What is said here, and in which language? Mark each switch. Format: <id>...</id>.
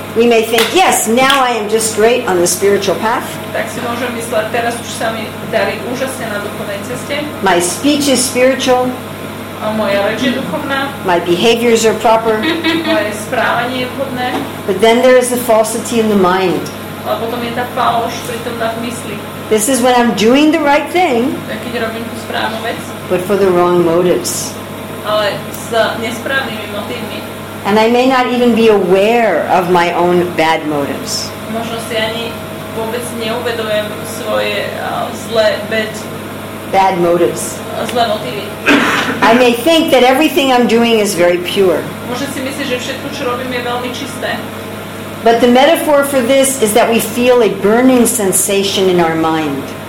<en>we may think, yes, now I am just great on the spiritual path.</en> <sk>Tak si môžem mysleť, teraz už sa mi darí úžasne na duchovnej ceste.</sk> <en>My speech is spiritual.</en> <sk>A moja reč je duchovná.</sk> <en>My behaviors are proper.</en> <sk>Moje správanie je vhodné.</sk> <en>But then there is the falsity in the mind.</en> <sk>A potom je tá faloš pritom na mysli.</sk> <en>This is when I'm doing the right thing.</en> <sk>Tak keď robím tú správnu vec.</sk> <en>But for the wrong motives.</en> <sk>Ale s nesprávnymi motivmi.</sk> <en>And I may not even be aware of my own bad motives.</en> <sk>Možno si ani vôbec neuvedomujem svoje zlé</sk> <en>bad motives.</en> <sk>Zlé motivy.</sk> <en>I may think that everything I'm doing is very pure.</en> <sk>Možno si myslím, že všetko, čo robím, je veľmi čisté.</sk> <en>But the metaphor for this is that we feel a burning sensation in our mind.</en>